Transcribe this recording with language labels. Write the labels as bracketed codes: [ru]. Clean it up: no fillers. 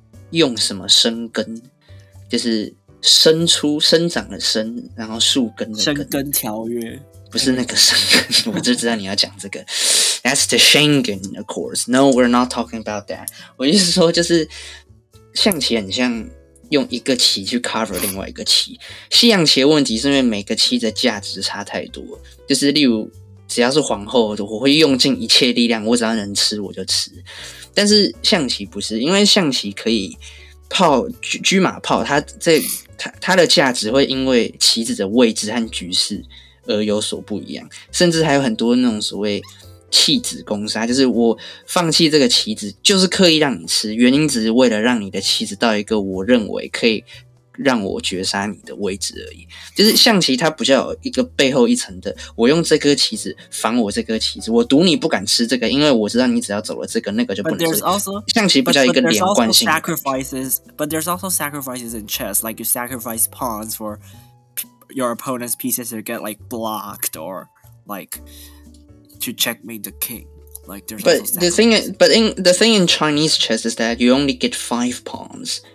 [zh] 用什么生根，就是生出生长的生，然后树根的根。生根条约不是那个生根，我就知道你要讲这个。 [en] That's the Shingon, of course. No, we're not talking about that. [zh] 我意思是说，就是象棋很像用一个棋去 cover 另外一个棋。西洋棋的问题是因为每个棋的价值差太多，就是例如只要是皇后，我会用尽一切力量，我只要能吃我就吃。但是象棋不是，因为象棋可以炮车马炮，它的价值会因为棋子的位置和局势而有所不一样，甚至还有很多那种所谓弃子攻杀，就是我放弃这个棋子，就是刻意让你吃，原因只是为了让你的棋子到一个我认为可以让我绝杀你的位置而已。就是象棋它比较有一个背后一层的，我用这颗棋子防我这颗棋子，我赌你不敢吃这个，因为我知道你只要走了这个，那个就不能吃。象棋比较一个连贯性。 [en] But there's also sacrifices in chess, like you sacrifice pawns for your opponent's pieces to get like blocked or like to checkmate the king. Like there's. But the thing, in Chinese chess is that you only get 5 pawns.